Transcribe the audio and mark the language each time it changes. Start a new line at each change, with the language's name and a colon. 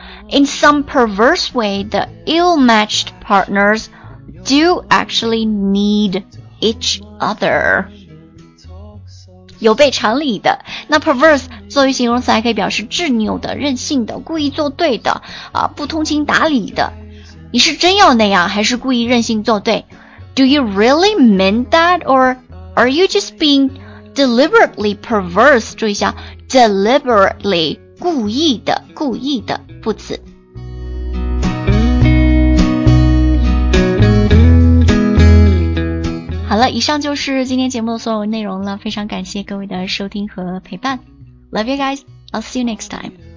English: In some perverse way, the ill-matched partners do actually need each other.
Chinese: 有悖常理的，那 perverse 作为形容词还可以表示执拗的、任性的、故意作对的、不通情达理的。你是真要那样，还是故意任性作对？
English: Do you really mean that, or are you just being deliberately perverse?
Chinese: 注意一下 deliberately故意的，故意的副词。好了，以上就是今天节目的所有内容了，非常感谢各位的收听和陪伴。
English: Love you guys, I'll see you next time.